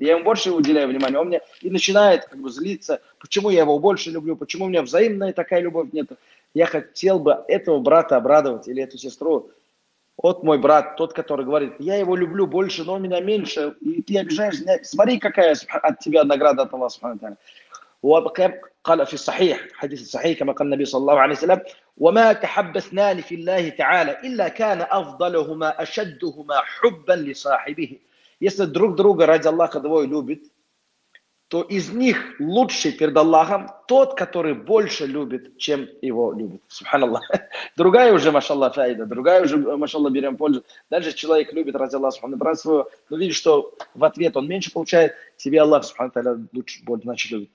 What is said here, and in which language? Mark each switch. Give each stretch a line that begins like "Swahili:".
Russian: Я ему больше уделяю внимания, он мне... И начинает как бы злиться, почему я его больше люблю, почему у меня взаимная такая любовь нет. Я хотел бы этого брата обрадовать или эту сестру. Вот мой брат, тот, который говорит, я его люблю больше, но он меня меньше, и ты обижаешься. Смотри, какая от тебя награда от Аллаха субхану ва тааля.
Arabic: قال في الصحيح حديث الصحيح كما قال النبي صلى الله عليه وسلم وما تحب اثنان في الله تعالى إلا كان أفضلهما أشدهما حبا لصاحبه.
Russian: Если друг друга ради Аллаха двое любит, то из них лучший перед Аллахом тот, который больше любит, чем его любит. Субханаллах. Другая уже, машаллах, файда. Другая уже, машаллах, берем пользу. Даже человек любит ради Аллаха, субханаллах, брат своего, но видит, что в ответ он меньше получает, тебе Аллах, субханаллах, лучше, больше, значит, любит.